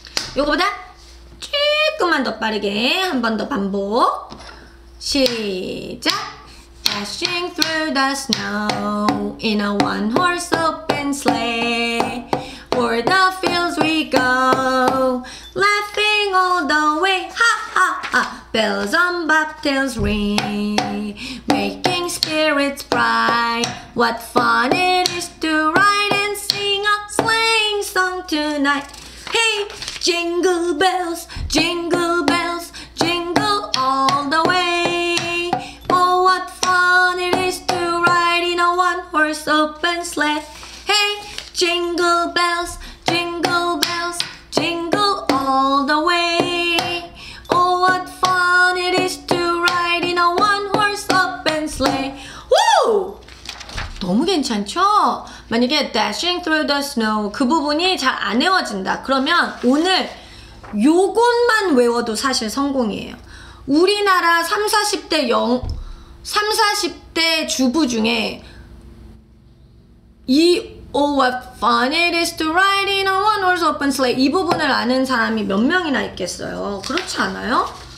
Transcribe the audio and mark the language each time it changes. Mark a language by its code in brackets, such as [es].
[ko] 요거보다 조금만 더 빠르게 한 번 더 반복. 시작! [en] Dashing through the snow in a one-horse open sleigh. O'er the fields we go, laughing all the way. Ha ha ha, bells on bobtails ring, making spirits bright. What fun it is to ride and sing a sleighing song tonight. Hey, jingle bells, jingle bells, jingle all the way. Oh, what fun it is to ride in a one-horse open sleigh. Hey, jingle bells, jingle bells, jingle all the way. Oh, what fun it is to ride in a one-horse open sleigh. [ko] Woo! 너무 괜찮죠? 만약에 [en] dashing through the snow [ko] 그 부분이 잘 안 외워진다 그러면 오늘 요것만 외워도 사실 성공이에요. 우리나라 30-40대 주부 중에 이 [en] Oh what fun it is to ride in a one-horse open sleigh [ko] 이 부분을 아는 사람이 몇 명이나 있겠어요. 그렇지 않아요?